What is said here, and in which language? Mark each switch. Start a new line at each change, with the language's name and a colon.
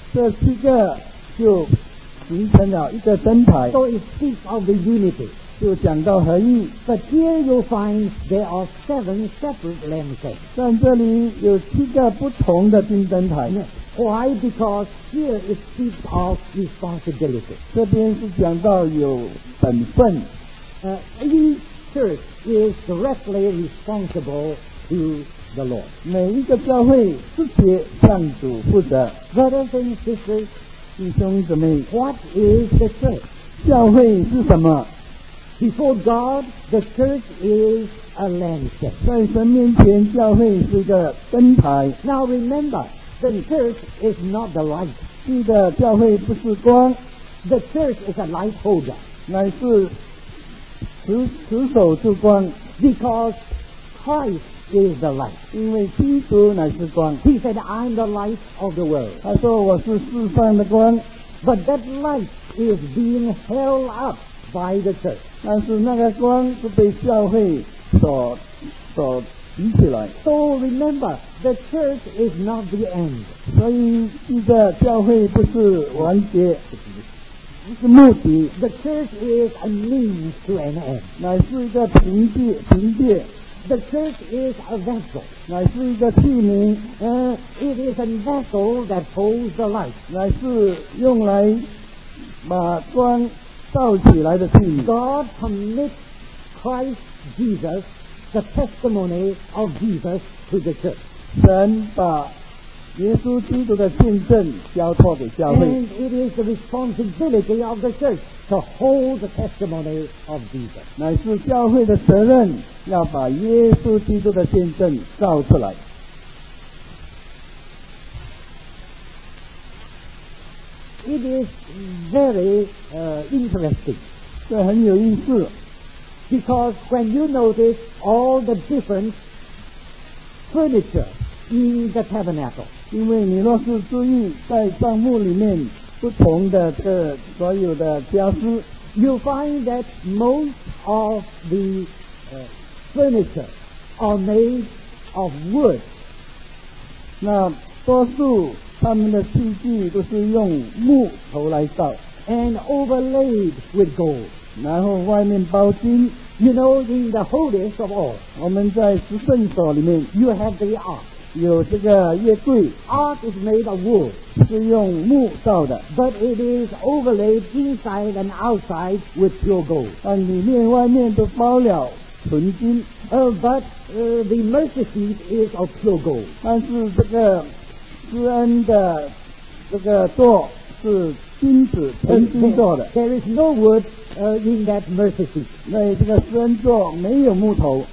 Chinese: 这七个就形成了一个灯台
English: So it speaks of the unity
Chinese: 就讲到合一
English: But here you find there are seven separate lanterns
Chinese: 但这里有七个不同的金灯台
English: Why? Because here it speaks of responsibility
Chinese: 这边是讲到有本分
English: Each church is directly responsible to the Lord
Chinese: 每一个教会直接向主负责
English: Brothers and sistersWhat is the church?
Chinese: 教会是什么?
English: Before God, the church is a lantern.
Chinese: 在神面前，教会是一个灯台。
English: Now remember, the church is not the light.
Chinese: 记得教会不是光。
English: The church is a light holder.
Chinese: 乃是持守住光。
English: Because Christ. Is the light.
Chinese: 因为基督乃是光。
English: He said, I'm the light of the world.
Chinese: 他说我是世上的光。
English: But that light is being held up by the church.
Chinese: 但是那个光是被教会所提起来。
English: So remember, the church is not the end.
Chinese: 所以一个教会不是完结，是目的。
English: The church is a means to an end.
Chinese: 乃是一个凭借。
English: The church is a vessel.
Chinese: 乃是一个器皿。
English: It is a vessel that holds the light.
Chinese: 乃是用来把光照起来的器皿。
English: God commits Christ Jesus, the testimony of Jesus, to the church.
Chinese: 神把耶稣基督的见证交托给教会。
English: And it is the responsibility of the church to hold the testimony of Jesus.
Chinese: 乃是教会的责任要把耶稣基督的见证照出来。
English: It is very interesting.
Chinese: 这很有意思。
English: Because when you notice all the different furniture in the tabernacle,
Chinese: 因为你若是注意在帐幕里面不同的这所有的家私，
English: you find that most of the furniture are made of wood.
Chinese: 那多数他们的器具都是用木头来造，
English: and overlaid with gold.
Chinese: 然后外面包金。
English: You know, in the holiest of all,
Chinese: 我们在十圣所里面，
English: you have the ark.
Chinese: 有这个月柜。
English: Ark is made of wood,
Chinese: 是用木造的。
English: But it is overlaid inside and outside with pure gold.
Chinese: 但里面外面都包了纯金。
English: The mercy seat is of pure gold.
Chinese: 但是这个施恩的这个座是金子纯金做的。
English: There is no wood in that mercy seat.
Chinese: 那这个施恩座没有木头。